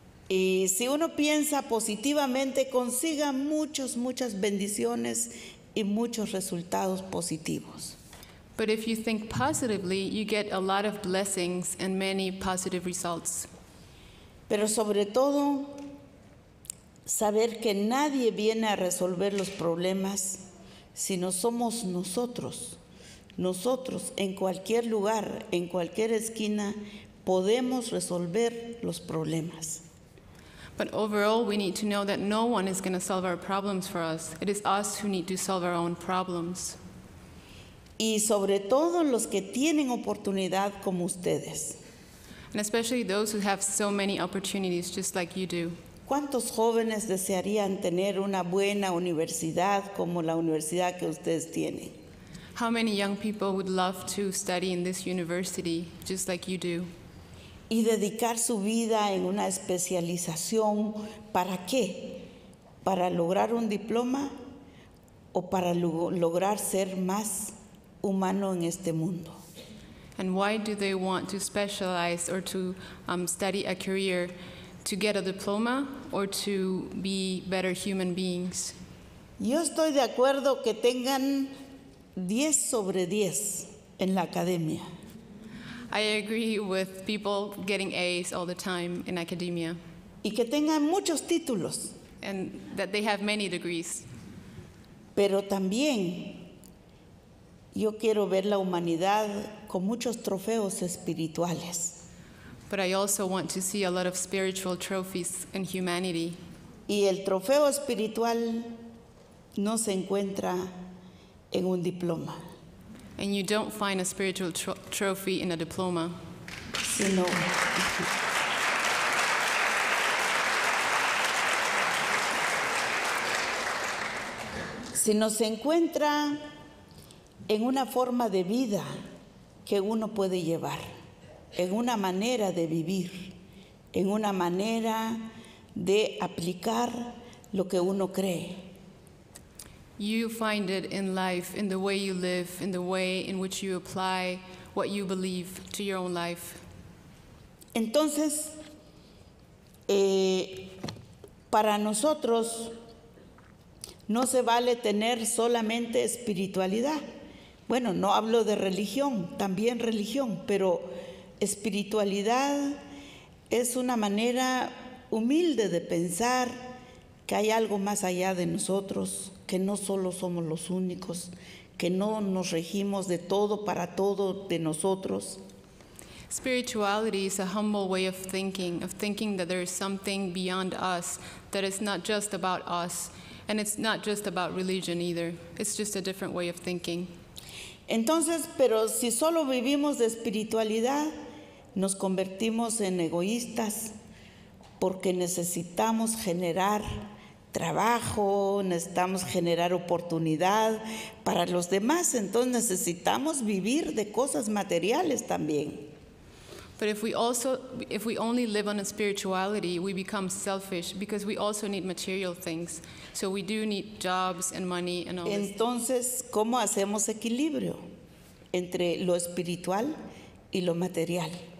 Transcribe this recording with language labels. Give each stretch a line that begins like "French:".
Spanish: Y si uno piensa positivamente, consiga muchas bendiciones y muchos resultados positivos.
English: But if you think positively, you get a lot of blessings and many positive results.
Spanish: Pero sobre todo, saber que nadie viene a resolver los problemas si no somos nosotros. Nosotros, en cualquier lugar, en cualquier esquina, podemos resolver los problemas.
English: But overall, we need to know that no one is going to solve our problems for us. It is us who need to solve our own problems.
Spanish: Y sobre todo los que tienen oportunidad como ustedes.
English: And especially those who have so many opportunities, just like you do.
Spanish: ¿Cuántos jóvenes desearían tener una buena universidad como la universidad que ustedes tienen?
English: How many young people would love to study in this university, just like you do?
Spanish: Y dedicar su vida en una especialización, ¿para qué? ¿Para lograr un diploma o para lograr ser más humano en este mundo?
English: And why do they want to specialize or to study a career, to get a diploma or to be better human beings?
Spanish: Yo estoy de acuerdo que tengan 10 sobre 10 en la academia.
English: I agree with people getting A's all the time in academia.
Spanish: Y que tengan muchos títulos.
English: And that they have many degrees.
Spanish: Pero también yo quiero ver la humanidad con muchos trofeos espirituales.
English: But I also want to see a lot of spiritual trophies in humanity.
Spanish: Y el trofeo espiritual no se encuentra en un diploma.
English: And you don't find a spiritual trophy in a diploma.
Spanish: Sino. Sino se encuentra en una forma de vida que uno puede llevar, en una manera de vivir, en una manera de aplicar lo que uno cree.
English: You find it in life, in the way you live, in the way in which you apply what you believe to your own life.
Spanish: Entonces, para nosotros no se vale tener solamente espiritualidad. Bueno, no hablo de religión, también religión, pero espiritualidad es una manera humilde de pensar que hay algo más allá de nosotros que no solo somos los únicos, que no nos regimos de todo para todo de nosotros.
English: Spirituality is a humble way of thinking that there is something beyond us, that it's not just about us, and it's not just about religion either. It's just a different way of thinking.
Spanish: Entonces, pero si solo vivimos de espiritualidad, nos convertimos en egoístas porque necesitamos generar trabajo, necesitamos generar oportunidad para los demás, entonces necesitamos vivir de cosas materiales también.
English: But if we only live on a spirituality, we become selfish because we also need material things. So we do need jobs and money and all.
Spanish: Entonces, ¿cómo hacemos equilibrio entre lo espiritual y lo material?